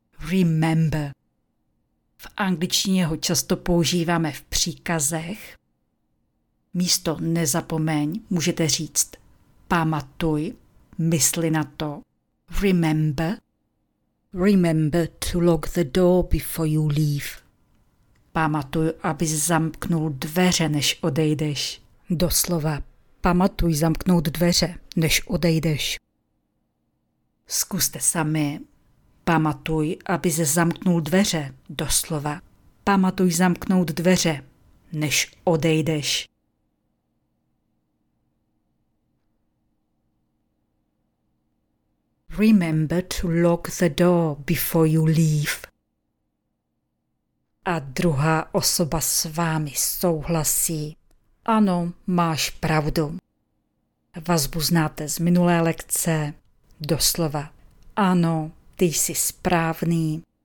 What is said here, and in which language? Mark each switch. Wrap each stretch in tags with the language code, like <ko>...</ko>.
<en>Remember.</en> <cs>V angličtině ho často používáme v příkazech. Místo nezapomeň můžete říct pamatuj, mysli na to.</cs> <en>Remember. Remember to lock the door before you leave.</en> <cs>Pamatuj, abys zamknul dveře, než odejdeš. Doslova, pamatuj zamknout dveře, než odejdeš. Zkuste sami. Pamatuj, abys zamknul dveře, doslova. Pamatuj zamknout dveře, než odejdeš.</cs> <en>Remember to lock the door before you leave.</en> <cs>A druhá osoba s vámi souhlasí. Ano, máš pravdu. Vazbu znáte z minulé lekce. Doslova. Ano, ty jsi správný.</cs>